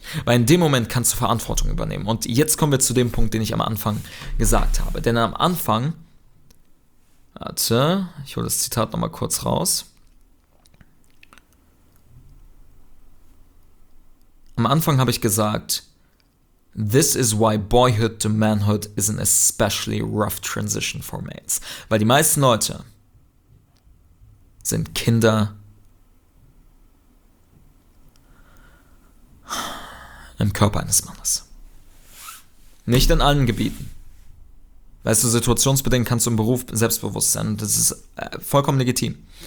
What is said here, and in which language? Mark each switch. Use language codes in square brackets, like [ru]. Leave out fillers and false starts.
[de] Weil in dem Moment kannst du Verantwortung übernehmen. Und jetzt kommen wir zu dem Punkt, den ich am Anfang gesagt habe. Denn am Anfang, warte, ich hole das Zitat nochmal kurz raus. Am Anfang habe ich gesagt, [en] This is why boyhood to manhood is an especially rough transition for males. [de] Weil die meisten Leute sind Kinder. Im Körper eines Mannes. Nicht in allen Gebieten. Weißt du, situationsbedingt kannst du im Beruf selbstbewusst sein. Das ist vollkommen legitim.